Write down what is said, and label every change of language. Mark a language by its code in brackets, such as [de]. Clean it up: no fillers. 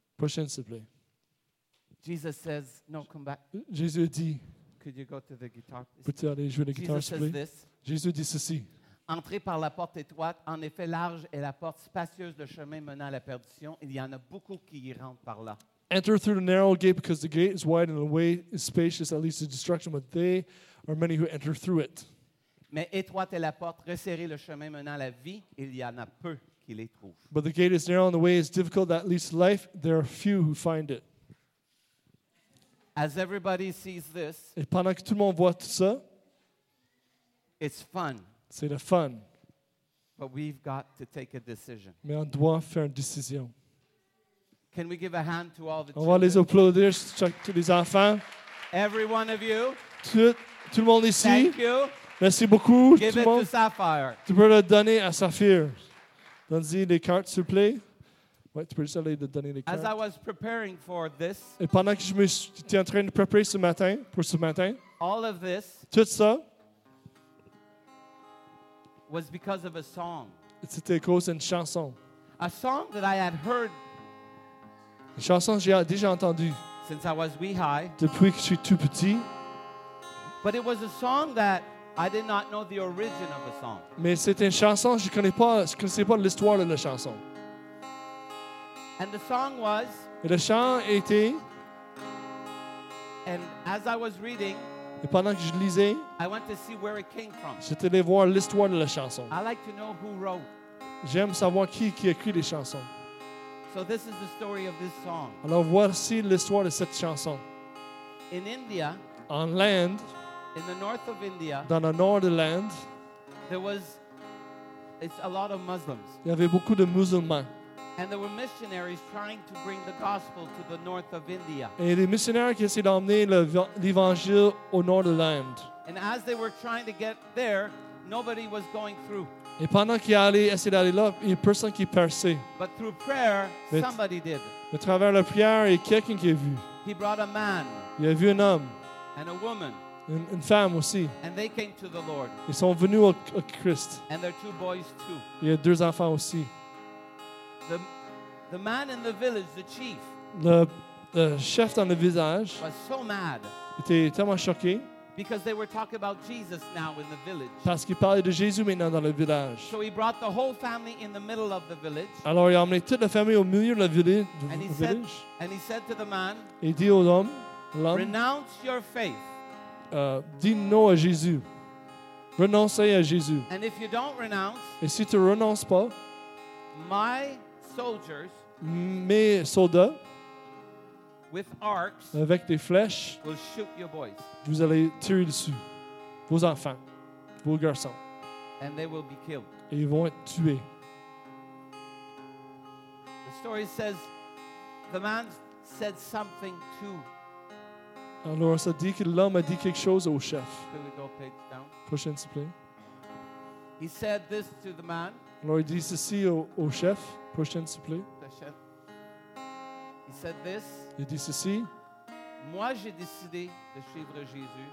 [fr] Prochaine, s'il vous plaît. [en] Jesus says, no, come back. [fr] Jésus dit, [en] could you go to the guitar? [fr] Peux-tu aller jouer la guitare, s'il vous plaît? Jésus dit ceci. Entrez par la porte étroite. En effet, large est la porte spacieuse de chemin menant à la perdition. Il y en a beaucoup qui y rentrent par là. [en] Enter through the narrow gate, because the gate is wide and the way is spacious, at least to destruction, but they are many who enter through it. [fr] Mais étroite est la porte, resserrée le chemin menant à la vie. Il y en a peu qui les trouvent. [en] But the gate is narrow and the way is difficult, that leads to life. There are few who find it. As everybody sees this, [fr] et pendant que tout le monde voit tout ça, [en] it's fun. [fr] C'est le fun. [en] But we've got to take a decision. [fr] Mais on doit faire une décision. [en] Can we give a hand to all the [fr] on [en] children? [fr] Va les applaudir tous les enfants. [en] Every one of you. [fr] Tout le monde ici. [en] Thank you. [fr] Merci beaucoup. [en] Give [fr] tout [en] it [fr] monde. [en] To Sapphire. [fr] Tu peux le donner à Sapphire. Donne-y les cartes, s'il te plaît. Ouais, tu peux juste aller te donner les cartes. [en] As I was preparing for this, [fr] et pendant que je me suis en train de préparer ce matin, pour ce matin, [en] all of this [fr] tout ça [en] was because of a song. [fr] C'était à cause d'une chanson. [en] A song that I had heard, [fr] une chanson que j'ai déjà entendue [en] since I was wee high, [fr] depuis que je suis tout petit. [en] But it was a song that I did not know the origin of the song. [fr] Mais c'est une chanson, je connaissais pas l'histoire de la chanson. [en] And the song was, [fr] et le chant était, [en] and as I was reading, [fr] et pendant que je lisais, [en] I went to see where it came from. [fr] J'étais allé voir l'histoire de la chanson. [en] I like to know who wrote. [fr] J'aime savoir qui a écrit les chansons. [en] So this is the story of this song. [fr] Alors voici l'histoire de cette chanson. [en] In India, on land, in the north of India, [fr] dans le nord de l'Inde, [en] it's a lot of Muslims. [fr] Il y avait beaucoup de musulmans. [en] And there were missionaries trying to bring the gospel to the north of India. [fr] Et il y a des missionnaires qui essayaient d'emmener l'évangile au nord de l'Inde. [en] And as they were trying to get there, nobody was going through. [fr] Et pendant qu'ils allaient essayer d'aller là, il n'y a personne qui perçait. [en] But through prayer, somebody did. [fr] À travers la prière, il y a quelqu'un qui a vu. [en] He brought a man. [fr] Il a vu un homme. [en] And a woman. [fr] Une femme aussi. [en] And they came to the Lord. [fr] Ils sont venus au Christ. [en] And their two boys too. [fr] Il y a deux enfants aussi. [en] The man in the village, the chief, [fr] le chef dans le village, [en] was so mad. [fr] Était tellement choqué. [en] Because they were talking about Jesus now in the village. [fr] Parce qu'ils parlaient de Jésus maintenant dans le village. [en] So he brought the whole family in the middle of the village. [fr] Alors il a amené toute la famille au milieu de la ville. [en] And he said to the man, [fr] il dit aux hommes, l'homme, [en] renounce your faith. [fr] Dis non à Jésus. Renoncez à Jésus. [en] And if you don't renounce, [fr] et si tu ne renonces pas, [en] my soldiers, [fr] mes soldats, [en] with arcs, [fr] avec des flèches, [en] will shoot your boys. [fr] Vous allez tirer dessus, vos enfants, vos garçons. [en] And they will be killed. [fr] Et ils vont être tués. [en] The story says the man said something to. [fr] Alors, ça dit que l'homme a dit quelque chose au chef. [en] Can we go page down? [fr] Prochaine, s'il plaît. [en] He said this to the man. [fr] Alors, il dit ceci au chef. Prochaine, s'il plaît. [en] The chef. He said this. [fr] Il dit ceci. Moi, j'ai décidé de suivre Jésus.